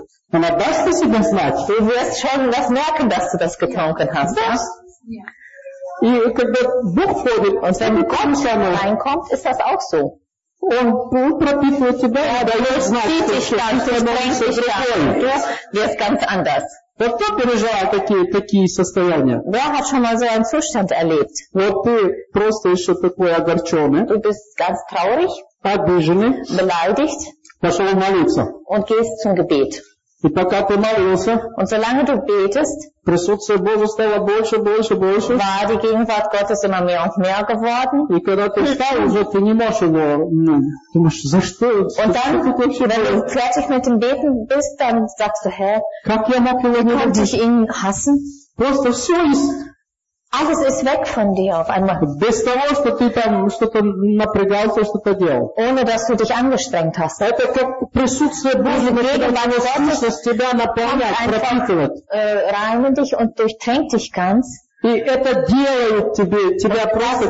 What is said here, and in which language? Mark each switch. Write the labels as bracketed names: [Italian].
[German] Aber das, was ich das mache. Du wirst schon das merken, dass du das getrunken hast. Ja. Ja. Und wenn du kommst, wenn du reinkommst, ist das auch so. Und du probierst dich dann, du bringst dich dann. Du wirst ganz anders. [Russian] Кто переживал такие состояния? [German] Wer hat schon mal so einen Zustand erlebt? [Russian] Вот ты просто еще такой огорченный. [German] Du bist ganz traurig. [Russian] Обиженный. [German] Beleidigt. [Russian] Пошел молиться. [German] Und gehst zum Gebet. [Russian] И пока ты молился, [German] und solange du betest, [Russian] присутствие Божие стало больше, [German] war die Gegenwart Gottes immer mehr und mehr geworden. [Russian] И когда ты встал, уже ты не можешь его, ну, думаешь, за что? [German] Und dann, wenn du fertig mit dem Beten bist, dann sagst du, Herr, [Russian] как я мог его не любить? [German] Dich ihn hassen? [Russian] Просто все ist... [German] Alles ist weg von dir auf einmal. [Russian] Без того, что ты там что-то напрягался, что-то делал. [German] Ohne dass du dich angestrengt hast. [Russian] Это как присутствие Божьего Духа, тебя наполняет, пропитывает. [German] Reinigt dich und durchtränkt dich ganz. [Russian] И это делает тебя просто.